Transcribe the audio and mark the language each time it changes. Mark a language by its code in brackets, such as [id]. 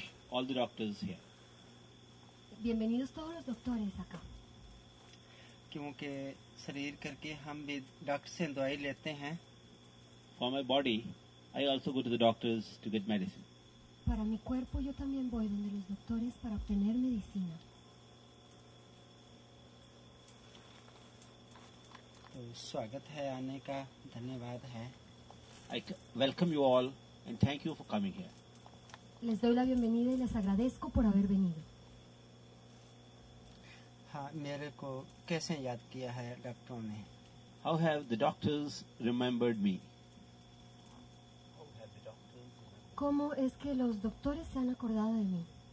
[en] All the doctors here. [es] Bienvenidos todos los doctores acá. [hi] क्योंकि शरीर करके हम भी डॉक्टर से दवाई लेते हैं. [en] For my body, I also go to the doctors to get medicine. [es] Para mi cuerpo, yo también voy donde los doctores para obtener medicina. [hi] तो स्वागत है आने का, धन्यवाद है. [en] I welcome you all and thank you for coming here. [es] Les doy la bienvenida y les agradezco por haber venido. [hi] Ha, mere ko kaise yaad kiya hai doctor ne? [en] How have the doctors remembered me? [es] ¿Cómo es que los doctores se han acordado de mí?